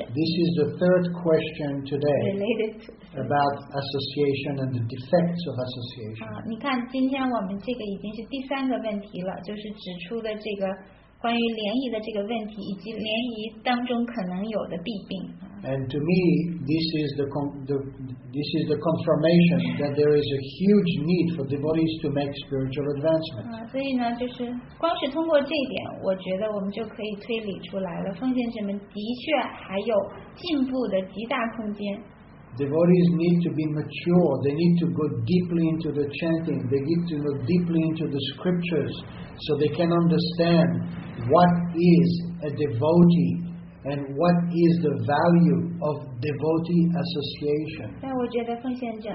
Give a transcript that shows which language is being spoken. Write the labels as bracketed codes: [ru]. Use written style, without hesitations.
[en] This is the third question today related to about association and the defects of association. [zh] 你看，今天我们这个已经是第三个问题了，就是指出的这个关于联谊的这个问题，以及联谊当中可能有的弊病。 [en] And to me, this is the confirmation that there is a huge need for devotees to make spiritual advancement. [zh] 所以呢，就是光是通过这一点，我觉得我们就可以推理出来了，奉献者们的确还有进步的极大空间。 [en] Devotees need to be mature. They need to go deeply into the chanting. They need to go deeply into the scriptures, so they can understand what is a devotee. And what is the value of devotee association?